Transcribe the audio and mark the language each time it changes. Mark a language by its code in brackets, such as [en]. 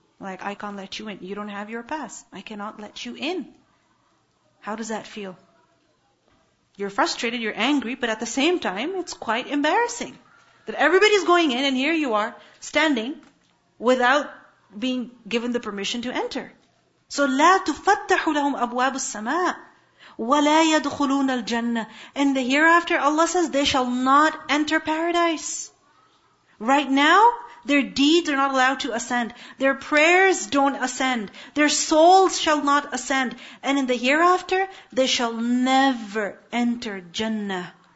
[en] Like, I can't let you in. You don't have your pass. I cannot let you in. How does that feel? You're frustrated, you're angry, but at the same time, it's quite embarrassing that everybody's going in and here you are standing without being given the permission to enter. So, [ar] لا تفتح لهم أبواب السماء. وَلَا يَدْخُلُونَ الْجَنَّةِ [en] And the hereafter, Allah says, they shall not enter paradise. Right now, their deeds are not allowed to ascend. Their prayers don't ascend. Their souls shall not ascend. And in the hereafter, they shall never enter Jannah.